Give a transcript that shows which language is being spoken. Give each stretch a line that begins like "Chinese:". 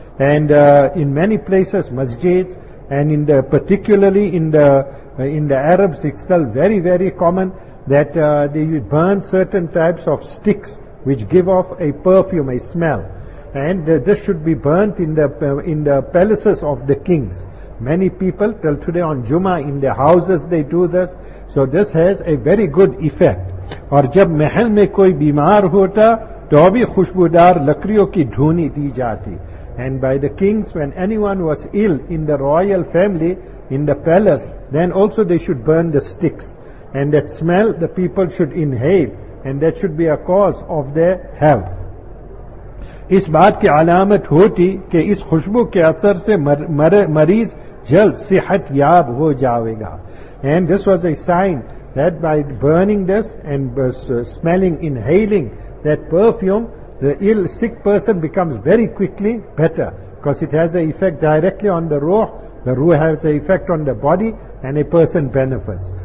English: And in many places, masjids, and in the particularly in the Arabs, it's still very, very common that they burn certain types of sticks which give off a perfume, a smell. And this should be burnt in the palaces of the kings. Many people, till today on Jummah, in their houses they do this. So this has a very good effect.
Urdu: اور جب محل میں کوئی بیمار ہوتا تو بھی خوشبودار لکڑیوں کی دھونی دی جاتی.
English: And by the kings, when anyone was ill in the royal family, in the palace, then also they should burn the sticks. And that smell the people should inhale, and that should be a cause of their health.
Urdu: اس بات کی علامت ہوتی کہ اس خوشبو کے اثر سے مریض جلد صحت یاب ہو جاوے گا.
English: And this was a sign that by burning this and smelling, inhaling that perfume, the ill, sick person becomes very quickly better, because it has an effect directly on the ruh has an effect on the body, and a person benefits.